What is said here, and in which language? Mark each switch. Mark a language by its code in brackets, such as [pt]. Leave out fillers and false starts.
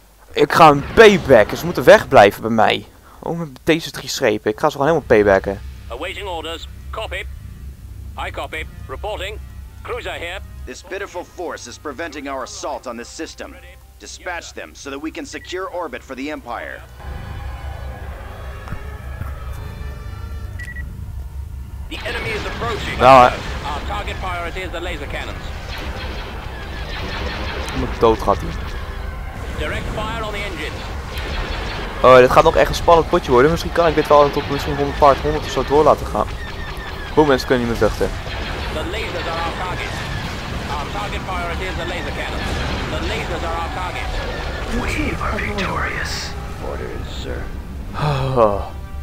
[nl] Ik ga een paybacken, ze moeten wegblijven bij mij. Oh, met deze drie schepen, ik ga ze gewoon helemaal paybacken. [en] Awaiting orders, copy. I copy, reporting. Cruiser here. This pitiful force is preventing our assault on this system. Dispatch them so that we can secure orbit for the Empire. The enemy is approaching. Nou, our target priority is the laser cannons. [nl] Moet dood gaat hij. [en] Direct fire on the engines. [nl] Oh, dit gaat nog echt een spannend potje worden. Misschien kan ik dit wel tot misschien 100 part 100 of zo door laten gaan. Hoe mensen kunnen niet meer vluchten. [en] The lasers are our target. Our target priority is the laser cannons. The lasers are our target. We are victorious. Orders, sir. Oh.